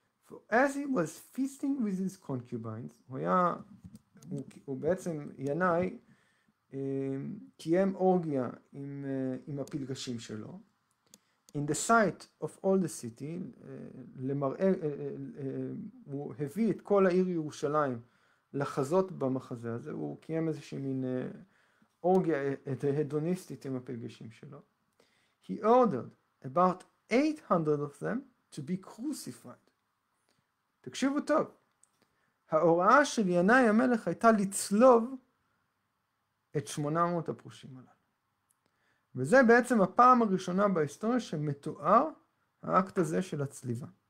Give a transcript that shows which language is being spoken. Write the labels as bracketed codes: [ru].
[he] As he was feasting with his concubines, הוא בעצם ינאי קיים אורגיה עם הפלגשים שלו, In the sight of all the city, למראה, הוא הביא את כל העיר ירושלים לחזות במחזה הזה, הוא קיים איזושהי מין אורגיה הדוניסטית עם הפגשים שלו. [en] He ordered about 800 of them to be crucified. [he] תקשיבו טוב, ההוראה של ינאי המלך הייתה לצלוב את 800 הפרושים עליו. וזה בעצם הפעם הראשונה בהיסטוריה שמתואר האקט הזה של הצליבה.